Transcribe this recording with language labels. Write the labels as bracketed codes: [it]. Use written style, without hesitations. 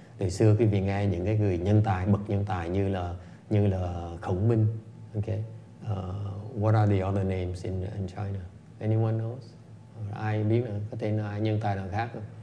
[vi] Thời xưa quý vị nghe những cái người nhân tài, bậc nhân tài như là Khổng Minh. [en] Okay, what are the other names in China? Anyone knows? [vi] ai biết nữa, có thể là ai nhân tài nào khác nữa.